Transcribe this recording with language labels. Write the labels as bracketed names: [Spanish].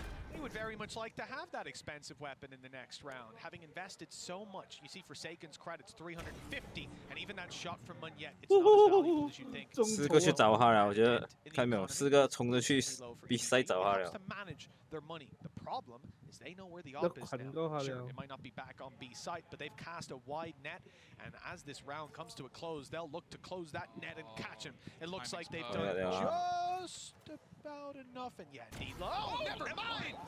[English] He would very much like to have that expensive weapon in the next round, having invested so much. You see, Forsaken's credits 350, and even that shot from Munyet, it's not as valuable as you think. [Chinese] 四个去找他了，我觉得看到没有？四个冲着去比赛找他了。 [English] The problem is they know where the op is now. Sure, it might not be back on B site, but they've cast a wide net, and as this round comes to a close, they'll look to close that net and catch him. It looks like they've done just about enough, and yet D-Lo, never mind!